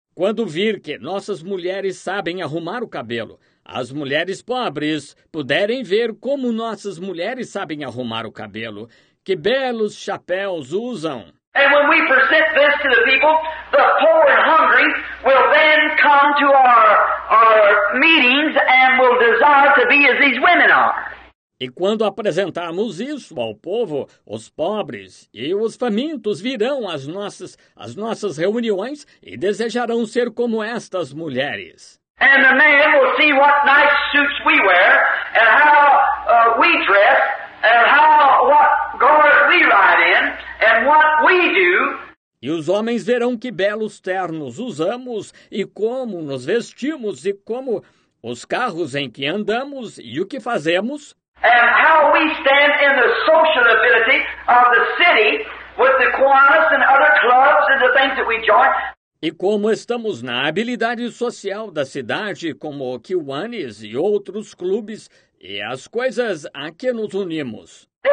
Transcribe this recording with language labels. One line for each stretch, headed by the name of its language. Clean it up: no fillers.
Portuguese: Quando vir que nossas mulheres sabem arrumar o cabelo, as mulheres pobres puderem ver como nossas mulheres sabem arrumar o cabelo, que belos chapéus usam.
English: And when we present this to the people, the poor and hungry will then come to our meetings and will desire to be as these women are.
Portuguese: E quando apresentarmos isso ao povo, os pobres e os famintos virão às nossas reuniões e desejarão ser como estas mulheres.
English: And the man will see what nice suits we wear and how we dress. And what we ride in, and what we do.
Portuguese: E os homens verão que belos ternos usamos, e como nos vestimos, e como os carros em que andamos, e o que fazemos.
English: And how we stand in the sociability of the city, with the Kiwanis and other clubs and the things that we join.
Portuguese: E como estamos na habilidade social da cidade, como o Kiwanis e outros clubes, e as coisas a que nos unimos.